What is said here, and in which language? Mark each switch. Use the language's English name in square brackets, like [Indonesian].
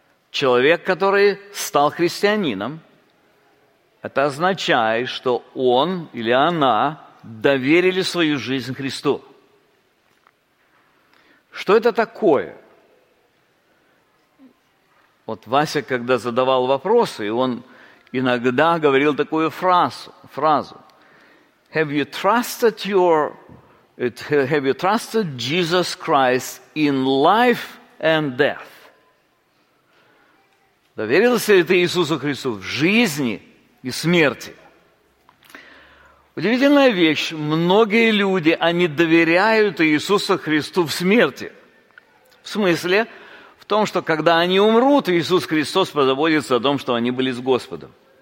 [Russian] Человек, который стал христианином, это означает, что он или она доверили свою жизнь Христу. Что это такое? Вот Вася, когда задавал вопросы, он иногда говорил такую фразу. [English] Have you trusted Jesus Christ in life and death? [Russian] Доверился ли ты Иисусу Христу в жизни и смерти? Удивительная вещь. Многие люди, они доверяют Иисусу Христу в смерти. В смысле, в том, что когда они умрут, Иисус Христос позаботится о том, что они были с Господом.